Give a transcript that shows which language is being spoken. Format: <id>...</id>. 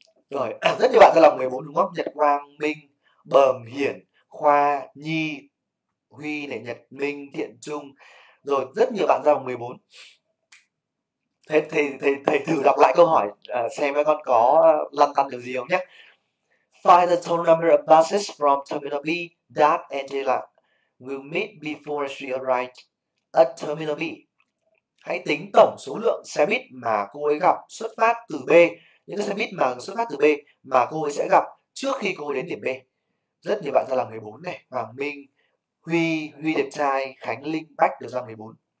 <vi>Rồi, rất nhiều bạn ra lòng 14 đúng không? Nhật Quang, Minh, Bờm, Hiển, Khoa, Nhi, Huy, này, Nhật Minh, Thiện Trung. Rồi, rất nhiều bạn ra lòng 14. Thế thầy thử đọc lại câu hỏi xem các con có lăn tăn điều gì không nhé.</vi> <en>Find the total number of buses from terminal B that Angela will meet before she arrives at terminal B.</en> <vi>Hãy tính tổng số lượng xe buýt mà cô ấy gặp xuất phát từ B, những cái xe buýt mà xuất phát từ B mà cô ấy sẽ gặp trước khi cô ấy đến điểm B. Rất nhiều bạn ra là 14 này, Hoàng Minh, Huy, Huy đẹp trai, Khánh Linh, Bách được ra 14.</vi>